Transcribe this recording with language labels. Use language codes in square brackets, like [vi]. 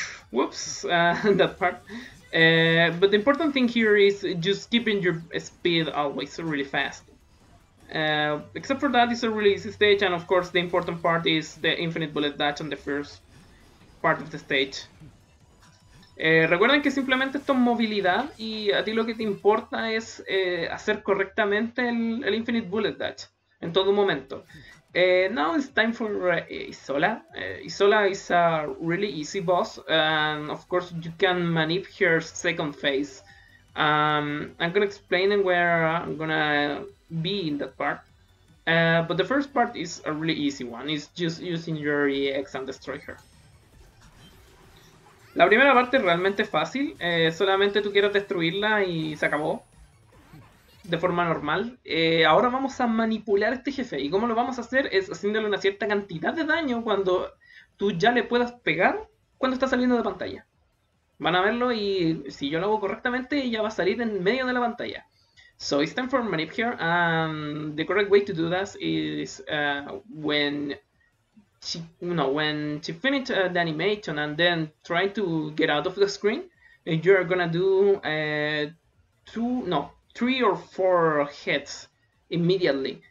[en] Whoops, that part. But the important thing here is just keeping your speed always really fast. Except for that, it's a really easy stage, and of course the important part is the infinite bullet dash on the first part of the stage. [es] Recuerden que simplemente esto es movilidad y a ti lo que te importa es hacer correctamente el Infinite Bullet Dash en todo momento. [en] Now it's time for Isola. Isola is a really easy boss and of course you can manip her second phase. I'm gonna explain where I'm gonna be in that part. But the first part is a really easy one. It's just using your EX and destroy her. [es] La primera parte es realmente fácil, solamente tú quieres destruirla y se acabó de forma normal. Ahora vamos a manipular a este jefe y cómo lo vamos a hacer es haciéndole una cierta cantidad de daño cuando tú ya le puedas pegar cuando está saliendo de pantalla. Van a verlo y si yo lo hago correctamente ya va a salir en medio de la pantalla. [en] So it's time for manip here. The correct way to do this is when she finished the animation and then try to get out of the screen, and you're gonna do two no three or four hits immediately.